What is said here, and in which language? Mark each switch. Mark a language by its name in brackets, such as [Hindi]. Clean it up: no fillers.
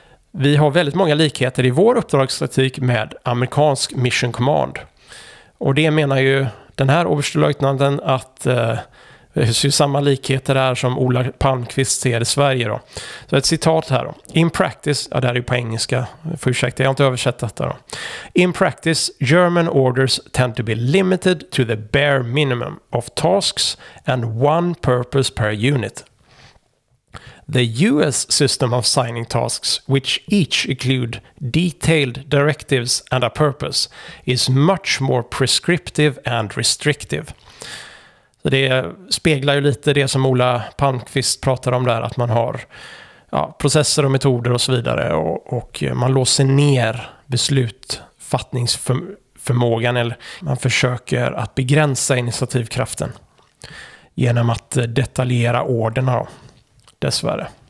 [Swedish] Vi har väldigt många likheter i vår uppdragstaktik med amerikansk Mission Command. Och det menar ju den här överstelöjtnanten att det är samma likheter där som Ola Palmqvist ser i Sverige då. Så ett citat här då. [English] In practice, [Swedish] ja, det här är ju på engelska, för ursäkta, jag har inte översatt detta då. [English] In practice, German orders tend to be limited to the bare minimum of tasks and one purpose per unit. The US system of signing tasks, which each include detailed directives and a purpose, is much more prescriptive and restrictive. [Swedish] Så det speglar ju lite det som Ola Palmqvist pratar om där, att man har ja, processer och metoder och så vidare, och man låser ner beslutfattningsförmågan, eller man försöker att begränsa initiativkraften genom att detaljera orderna då, dessvärre.